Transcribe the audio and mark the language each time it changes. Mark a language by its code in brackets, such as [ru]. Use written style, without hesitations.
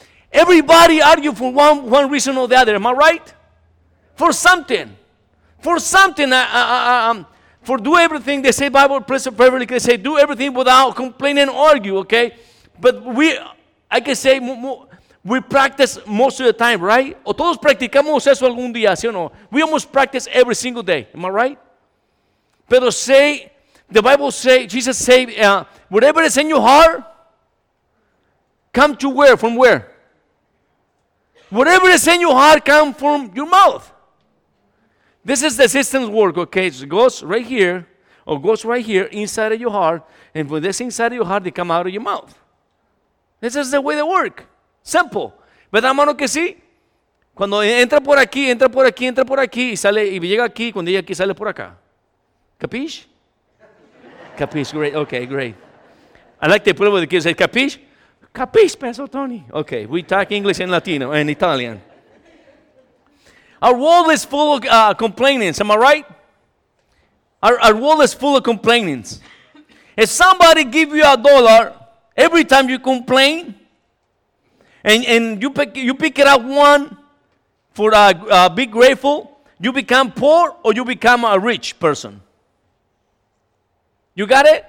[en] Everybody argue for one reason or the other. Am I right? For something. For something. For do everything. They say Bible, preserve perfectly. They say do everything without complaining or argue, okay? But we practice most of the time, right? [es] O todos practicamos eso algún día, ¿sí o no? [en] We almost practice every single day. Am I right? Pero say, the Bible say, Jesus say, whatever is in your heart, come to where? From where? Whatever is in your heart, come from your mouth. This is the system's work, okay? It goes right here, or goes right here, inside of your heart. And when this inside of your heart, they come out of your mouth. This is the way they work. Simple. [es] ¿Verdad, hermano, que sí? Cuando entra por aquí, entra por aquí, entra por aquí, y sale, y llega aquí, cuando llega aquí, sale por acá. [en] ¿Capish? Capish, great, okay, great. I like the problem with the kids, say, ¿capish? Capish, Pastor Tony. Okay, we talk English and Latino, and Italian. Our world is full of complainings, am I right? Our world is full of complainings. If somebody give you a dollar, every time you complain, and you pick it up one for be grateful, you become poor or you become a rich person. You got it?